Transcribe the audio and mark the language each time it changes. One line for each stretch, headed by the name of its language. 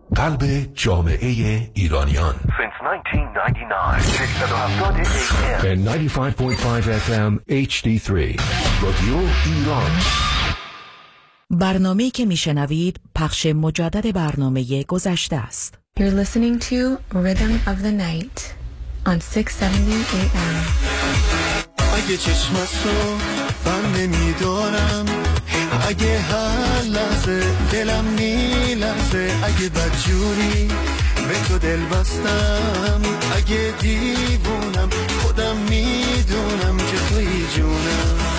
Persian: قلب جامعه ایرانیان.
English: Since 1999,
Persian: 675 FM HD3. رادیو ایران. برنامه‌ای که می شنوید پخش مجدد برنامه گذشته است.
English: You're listening to Rhythm of the Night on 670 AM.
Persian: اگه چشمت رو بند نمی دارم، اگه هر لحظه دلم می‌لرزه، اگه بدجوری به تو دل بستم، اگه دیوونم خودم میدونم که توی جونم،